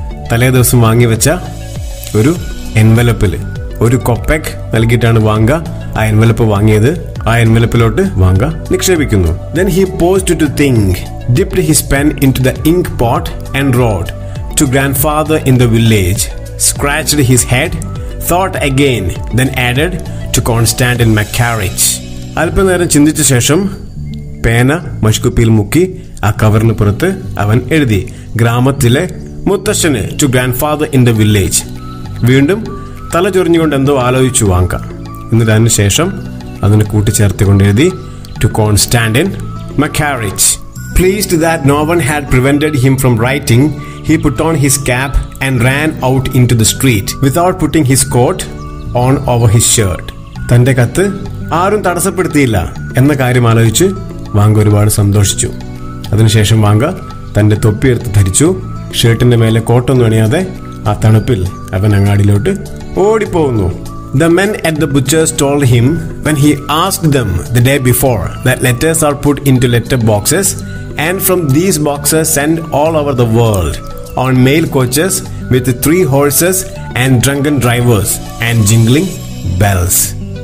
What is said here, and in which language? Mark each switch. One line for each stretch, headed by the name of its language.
Malayalam: തലേ ദിവസം വാങ്ങിവെച്ച ഒരു എൻവലപ്പിൽ ഒരു കോപ്പെക് നൽകിയിട്ടാണ് വാങ്ക ആ എൻവലപ്പ് വാങ്ങിയത്. ആ എൻവലപ്പിലോട്ട് വാങ്ക നിക്ഷേപിക്കുന്നു.
English: Then he paused to think, dipped his pen into the ink pot and rode to grandfather in the village, scratched his head, thought again, then added to constant in my carriage.
Malayalam: അല്പം നേരം ചിന്തിച്ച ശേഷം പേന മഷ്കുപ്പിയിൽ മുക്കി ആ കവറിന് പുറത്ത് അവൻ എഴുതി ഗ്രാമത്തിലെ മുത്തശ്ശന്
English: To grandfather in the village.
Malayalam: വീണ്ടും തല ചൊറിഞ്ഞുകൊണ്ട് എന്തോ ആലോചിച്ചു വാങ്ക. എന്നിട്ട് അതിന് ശേഷം അതിന് കൂട്ടിച്ചേർത്തിക്കൊണ്ട് എഴുതി to കോൺസ്റ്റാൻഡിൻ മക്കാരിച്ച്.
English: Pleased that no one had prevented him from writing, he put on his cap and ran out into the street without putting his coat on over his shirt.
Malayalam: തന്റെ കത്ത് ആരും തടസ്സപ്പെടുത്തിയില്ല എന്ന കാര്യം ആലോചിച്ച് വാങ്ക ഒരുപാട് സന്തോഷിച്ചു. അതിനുശേഷം വാങ്ക തന്റെ തൊപ്പിയെടുത്ത് ധരിച്ചു. ഷർട്ടിന്റെ മേലെ കോട്ടൊന്നും അണിയാതെ ആ തണുപ്പിൽ അവൻ അങ്ങാടിയിലോട്ട് ഓടിപ്പോകുന്നു.
English: The men at the butcher's told him when he asked them the day before that letters are put into letter boxes and from these boxes sent all over the world on mail coaches with three horses and drunken drivers and jingling bells.